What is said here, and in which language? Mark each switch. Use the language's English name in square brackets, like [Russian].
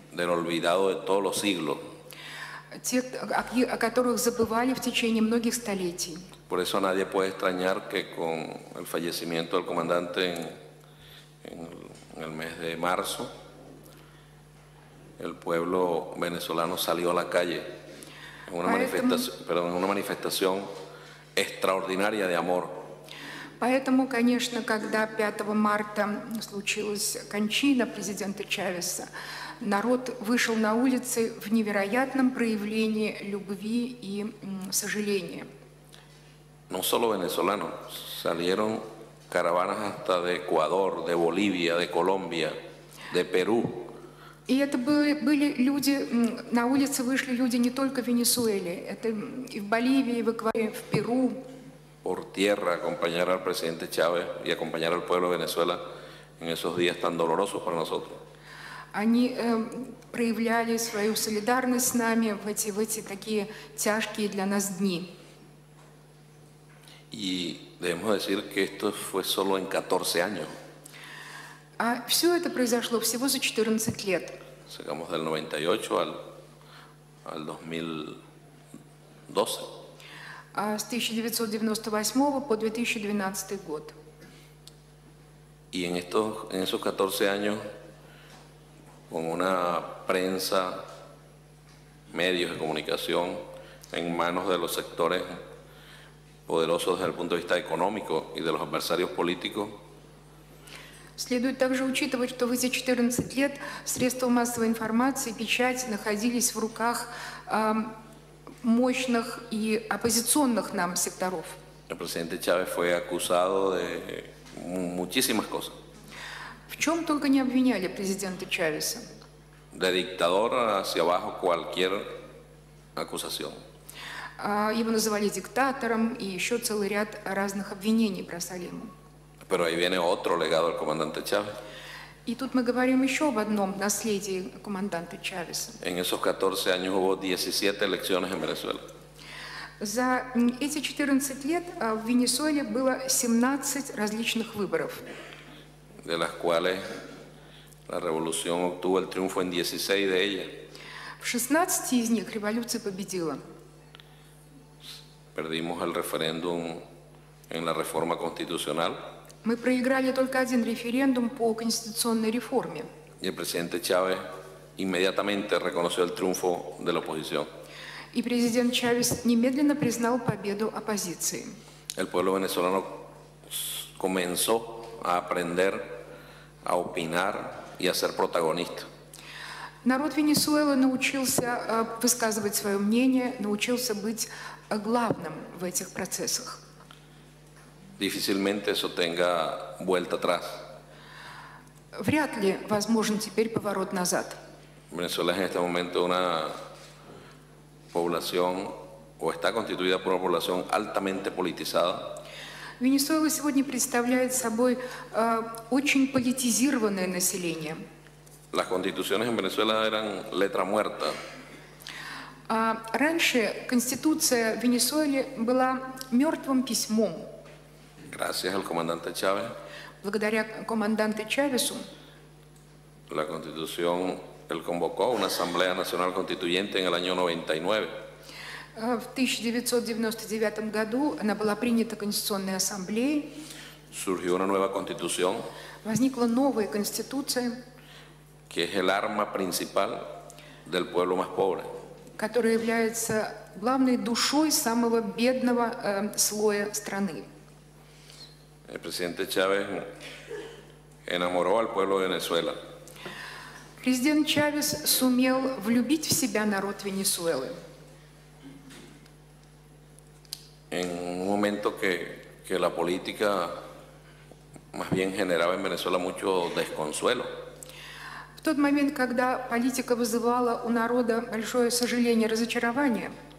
[Spanish] Del olvidado de todos los siglos. [Russian] Те, о которых забывали в течение многих столетий. [Spanish] Por eso nadie puede extrañar que con el fallecimiento del comandante en el mes de marzo, el pueblo venezolano salió a la calle en una manifestación extraordinaria de amor. [Russian] Поэтому, конечно, когда 5 марта случилась кончина президента Чавеса, народ вышел на улицы в невероятном проявлении любви и сожаления. [Spanish] No solo venezolanos, salieron caravanas hasta de Ecuador, de Bolivia, de Colombia, de Perú. [Russian] Y это были люди, на улицы вышли люди не только в Венесуэле, это и в Боливии, и в Эквадоре, в Перу. [Spanish] Por tierra acompañar al presidente Chávez y acompañar al pueblo de Venezuela en esos días tan dolorosos para nosotros. [Russian] Они проявляли свою солидарность с нами в эти такие тяжкие для нас дни. [Spanish] Y debemos decir que esto fue solo en 14 años. [Russian] А все это произошло всего за 14 лет. [Spanish] Sacamos del 98 al 2012. [Russian] С 1998 по 2012 год. [Spanish] Y en esos 14 años, con una prensa, medios de comunicación en manos de los sectores poderosos desde el punto de vista económico y de los adversarios políticos. [Russian] Следует также учитывать, что в эти 14 лет средства массовой информации и печать находились в руках мощных и оппозиционных нам секторов. [Spanish] El presidente Chávez fue acusado de muchísimas cosas. [Russian] В чем только не обвиняли президента Чавеса? [Spanish] De dictador hacia abajo cualquier acusación. [Russian] Его называли диктатором и еще целый ряд разных обвинений бросали ему. [Spanish] Pero ahí viene otro legado del comandante Chávez. [Russian] И тут мы говорим еще об одном наследии команданта Чавеса. [Spanish] En esos 14 años hubo 17 elecciones en Venezuela. [Russian] За эти 14 лет в Венесуэле было 17 различных выборов. [Spanish] De las cuales la revolución obtuvo el triunfo en 16 de ellas. [Russian] В 16 из них революция победила. [Spanish] Perdimos el referéndum en la reforma constitucional. [Russian] Мы проиграли только один референдум по конституционной реформе. [Spanish] Y el presidente Chávez inmediatamente reconoció el triunfo de la oposición. [Russian] И президент Чавес немедленно признал победу оппозиции. [Spanish] El pueblo venezolano comenzó a aprender a opinar y a ser protagonista. [Russian] Народ Венесуэлы научился высказывать свое мнение, научился быть главным в этих процессах. [Spanish] Difícilmente eso tenga vuelta atrás. [Russian] Вряд ли возможен теперь поворот назад. [Spanish] Venezuela es en este momento una población o está constituida por una población altamente politizada. [Russian] Венесуэла сегодня представляет собой очень политизированное население. [Spanish] Las constituciones en Venezuela eran letra muerta. [Russian] Раньше конституция в Венесуэле была мертвым письмом. [Spanish] Gracias al comandante Chávez. [Russian] Благодаря команданте Чавесу. [Spanish] La constitución él convocó una asamblea nacional constituyente en el año 99. [Russian] В 1999 году она была принята Конституционной Ассамблеей. [Spanish] Surgió una nueva constitución. [Russian] Возникла новая конституция. [Spanish] Que es el arma principal del pueblo más pobre. [Russian] Которая является главной душой самого бедного слоя страны. [Spanish] El presidente Chávez enamoró al pueblo de Venezuela. [Russian] Президент Чавес сумел влюбить в себя народ Венесуэлы. [Spanish] En un momento que la política más bien generaba en Venezuela mucho desconsuelo. [Russian] В тот момент, когда политика вызывала у народа большое сожаление, разочарование.